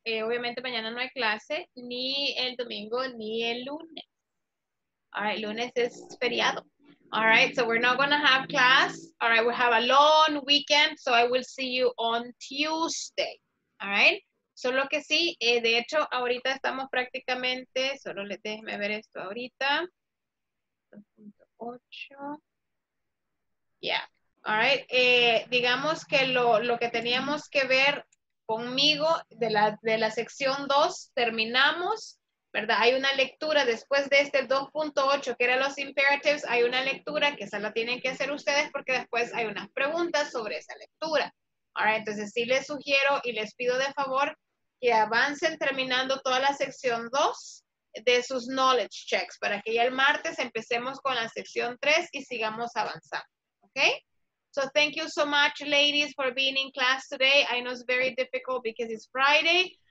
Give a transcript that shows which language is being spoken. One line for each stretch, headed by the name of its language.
Spanish: Obviamente mañana no hay clase, ni el domingo, ni el lunes. All right. Lunes es feriado.
English: All right, so we're not gonna have class. All right, we'll have a long weekend, so I will see you on Tuesday.
Spanish: All right, solo que sí, de hecho, ahorita estamos prácticamente, solo déjeme ver esto ahorita. 2.8. Yeah, all right, digamos que lo que teníamos que ver conmigo de la sección 2, terminamos. ¿Verdad? Hay una lectura después de este 2.8, que eran los imperatives, hay una lectura que esa la tienen que hacer ustedes porque después hay unas preguntas sobre esa lectura. All right, entonces sí les sugiero y les pido de favor que avancen terminando toda la sección 2 de sus knowledge checks para que ya el martes empecemos con la sección 3 y sigamos avanzando.
English: ¿Okay? So thank you so much, ladies, for being in class today. I know it's very difficult because it's Friday.